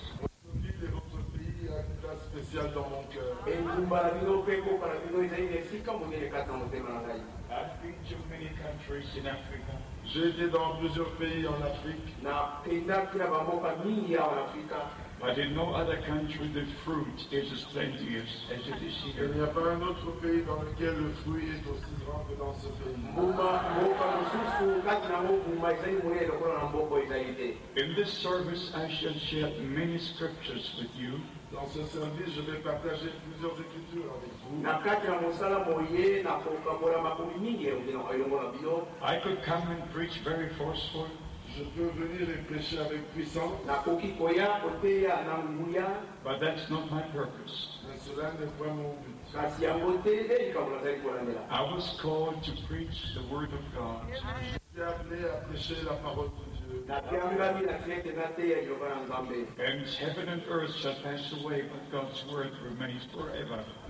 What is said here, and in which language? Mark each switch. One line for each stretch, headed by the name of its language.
English: I've been to many countries in Africa.
French: J'ai été dans plusieurs pays en Afrique.
English: But in no other country the fruit is as plenteous as it is here.
French: Il n'y a pas un autre pays dans lequel le fruit est aussi grand que dans ce pays.
English: In this service I shall share many scriptures with you.
French: Dans ce service, je vais partager plusieurs écritures avec vous.
English: I could come and preach very forceful.
French: Je peux venir et prêcher avec puissance.
English: But that's not my purpose.
French: Mais cela n'est pas mon but.
English: I was called to preach the word of God.
French: Je suis appelé à prêcher la parole de Dieu.
English: And heaven and earth shall pass away, but God's word remains forever.